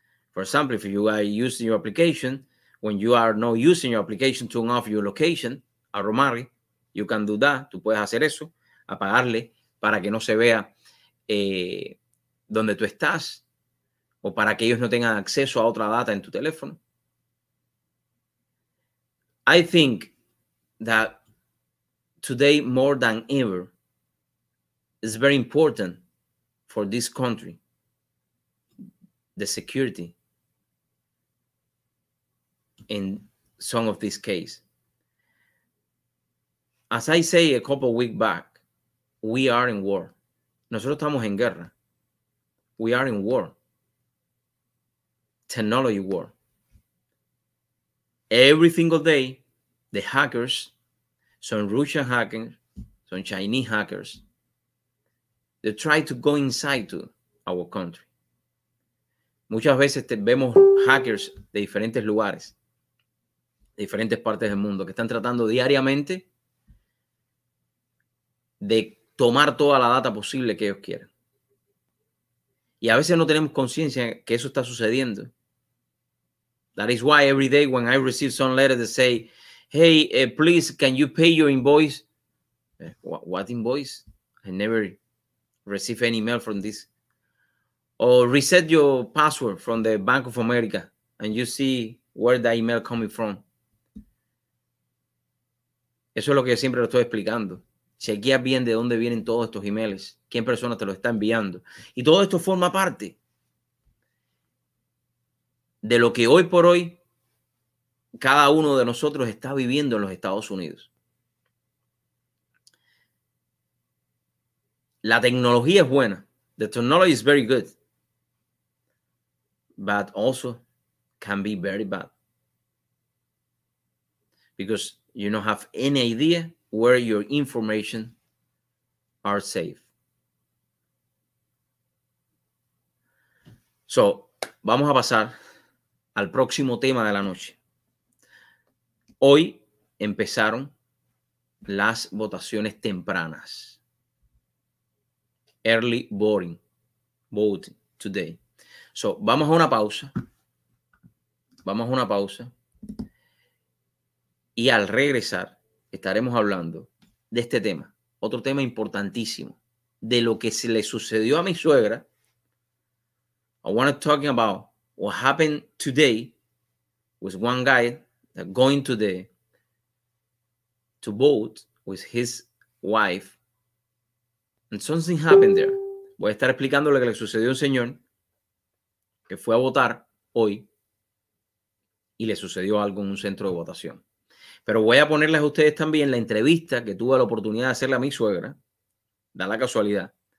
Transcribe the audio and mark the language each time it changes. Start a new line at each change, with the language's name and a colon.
English: For example, if you are using your application, when you are not using your application, turn off your location, Aromari, you can do that.
Spanish: Tú puedes hacer eso, apagarle, para que no se vea dónde tú estás o para que ellos no tengan acceso a otra data en tu teléfono.
English: I think that today more than ever is very important for this country, the security in some of these cases. As I say a couple of weeks back, we are in war.
Spanish: Nosotros estamos en guerra.
English: We are in war. Technology war. Every single day, the hackers, some Russian hackers, some Chinese hackers, they try to go inside to our country.
Spanish: Muchas veces vemos hackers de diferentes lugares, de diferentes partes del mundo, que están tratando diariamente de tomar toda la data posible que ellos quieran. Y a veces no tenemos conciencia que eso está sucediendo.
English: That is why every day when I receive some letters that say, hey, please, can you pay your invoice? What invoice? I never receive any mail from this. Or reset your password from the Bank of America and you see where that email coming from.
Spanish: Eso es lo que yo siempre lo estoy explicando. Chequea bien de dónde vienen todos estos emails. ¿Quién persona te lo está enviando? Y todo esto forma parte de lo que hoy por hoy cada uno de nosotros está viviendo en los Estados Unidos. La tecnología es buena.
English: The technology is very good. But also can be very bad. Because you don't have any idea where your information are safe.
Spanish: So, vamos a pasar al próximo tema de la noche. Hoy empezaron las votaciones tempranas.
English: Early voting. Vote today.
Spanish: So, vamos a una pausa. Vamos a una pausa. Y al regresar, estaremos hablando de este tema, otro tema importantísimo, de lo que se le sucedió a mi suegra.
English: I want to talk about what happened today with one guy that going to the to vote with his wife. And something happened there.
Spanish: Voy a estar explicando lo que le sucedió a un señor que fue a votar hoy y le sucedió algo en un centro de votación. Pero voy a ponerles a ustedes también la entrevista que tuve la oportunidad de hacerle a mi suegra. Da la casualidad.